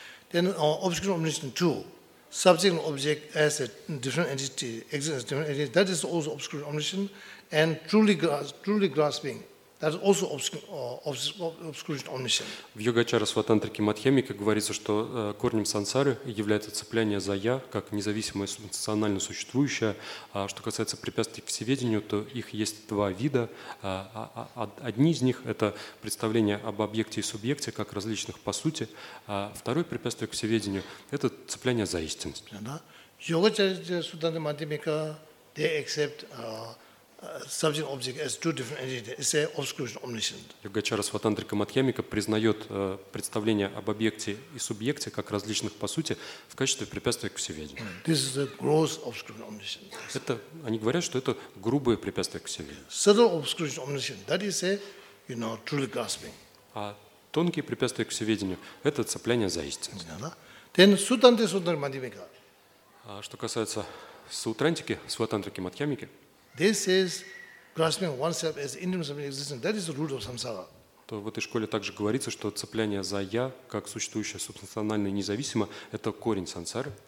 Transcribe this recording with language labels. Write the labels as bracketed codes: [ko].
[en] Then, obscuration of omniscience two. Subject and object as a different entity, exists as a different entity, that is also obscuration, omniscience, and truly grasping, that is also obscuration, omniscience. [ru] В Йогачара Сватантрике Мадхьямике говорится, что корнем сансары является цепляние за я, как независимое субстанционально существующее. А что касается препятствий к всеведению, то их есть два вида. Одни из них – это представление об объекте и субъекте, как различных по сути. А второе препятствие к всеведению – это цепляние за истинность. [en] Йогачара Сватантрике Мадхьямике, they accept subject object as two different entities. It's a obscuration omniscient. [ru] Йогачара Сватантрика Мадхьямика признает представление об объекте и субъекте как различных по сути в качестве препятствия к всеведению. [en] This is a gross obscuration omniscient. [ru] Это они говорят, что это грубое препятствие к всеведению. [en] Subtle obscuration omniscient. That is a, you know, truly grasping. [ru] А тонкие препятствия к всеведению – это цепляние за истину. [en] Then Sutanti Sutanti Мадхьямика. [ru] А что касается Сутрантики Сватантрики Мадхьямики? [en] This is grasping oneself as independent of existence, that is the root of samsara. [ru] То в этой школе также говорится, что цепляние за я как существующее субстанциональное и независимо – это корень сансары.